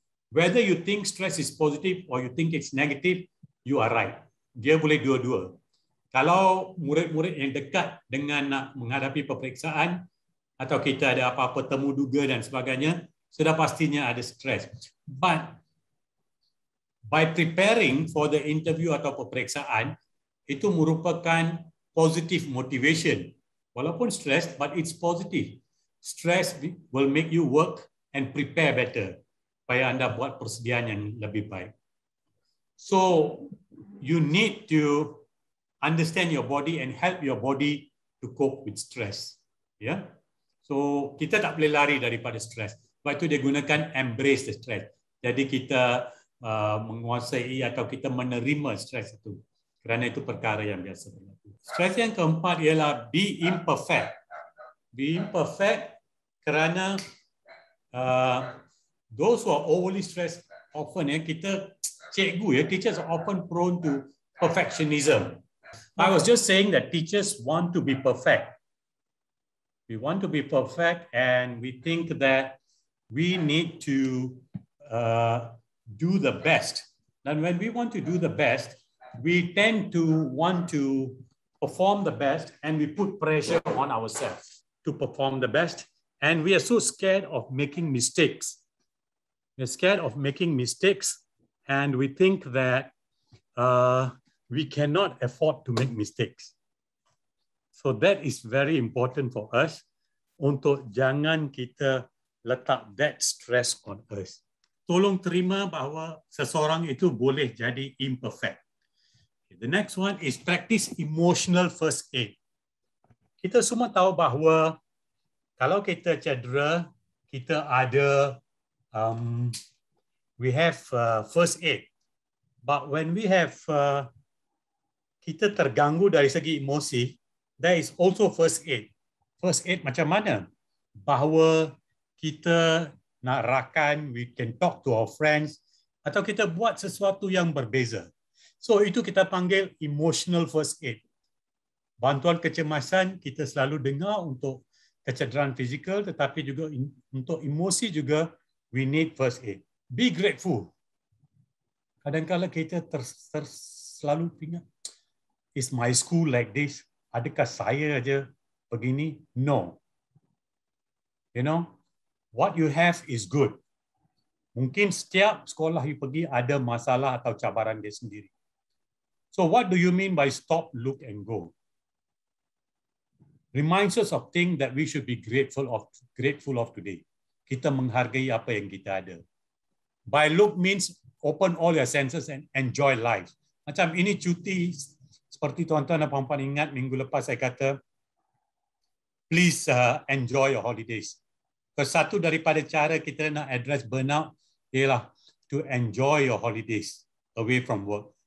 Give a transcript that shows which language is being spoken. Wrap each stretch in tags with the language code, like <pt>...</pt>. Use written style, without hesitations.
<en>Whether you think stress is positive or you think it's negative, you are right.</en> <ms>Dia boleh dua-dua. Kalau murid-murid yang dekat dengan nak menghadapi peperiksaan atau kita ada apa-apa temu duga dan sebagainya, sudah pastinya ada stres.</ms> <en>But by preparing for the interview</en> <ms>atau peperiksaan, itu merupakan</ms> <en>positive motivation.</en> <ms>Walaupun stres,</ms> <en>but it's positive. Stress will make you work and prepare better</en> <ms>supaya anda buat persediaan yang lebih baik.</ms> <en>So you need to understand your body and help your body to cope with stress. Yeah.</en> <ms>So kita tak boleh lari daripada stres. Sebab itu dia gunakan</ms> <en>embrace the stress.</en> <ms>Jadi kita menguasai atau kita menerima stres itu. Kerana itu perkara yang biasa berlaku. Stres yang keempat ialah</ms> <en>be imperfect. Be imperfect kerana those who are overly stressed often,</en> <ms>ya, kita cikgu, ya,</ms> <en>teachers are often prone to perfectionism. I was just saying that teachers want to be perfect. We want to be perfect and we think that we need to do the best. And when we want to do the best, we tend to want to perform the best and we put pressure on ourselves to perform the best. And we are so scared of making mistakes. We're scared of making mistakes and we think that we cannot afford to make mistakes. So that is very important for us</en> <ms>untuk jangan kita letak</ms> <en>that stress on us.</en> <ms>Tolong terima bahawa seseorang itu boleh jadi imperfect.</ms> <en>The next one is practice emotional first aid.</en> <ms>Kita semua tahu bahawa kalau kita cedera, kita ada</ms> <en>we have first aid. But when we have</en> <ms>kita terganggu dari segi emosi,</ms> <en>there is also first aid. First aid</en> <ms>macam mana? Bahawa kita nak rakan,</ms> <en>we can talk to our friends,</en> <ms>atau kita buat sesuatu yang berbeza. So itu kita panggil</ms> <en>emotional first aid.</en> <ms>Bantuan kecemasan kita selalu dengar untuk kecederaan fizikal, tetapi juga untuk emosi juga,</ms> <en>we need first aid. Be grateful.</en> <ms>Kadang-kadang kita selalu ingat,</ms> <en>is my school like this?</en> <ms>Adakah saya aja begini?</ms> <en>No. You know, what you have is good.</en> <ms>Mungkin setiap sekolah you pergi ada masalah atau cabaran dia sendiri.</ms> <en>So what do you mean by stop, look, and go? Reminds us of things that we should be grateful of today.</en> <ms>Kita menghargai apa yang kita ada.</ms> <en>By look means open all your senses and enjoy life.</en> <ms>Macam ini cuti. Seperti tuan-tuan dan puan-puan ingat minggu lepas saya kata,</ms> <en>please enjoy your holidays.</en> <ms>Karena satu daripada cara kita nak</ms> <en>address burnout ialah to enjoy your holidays away from work.</en>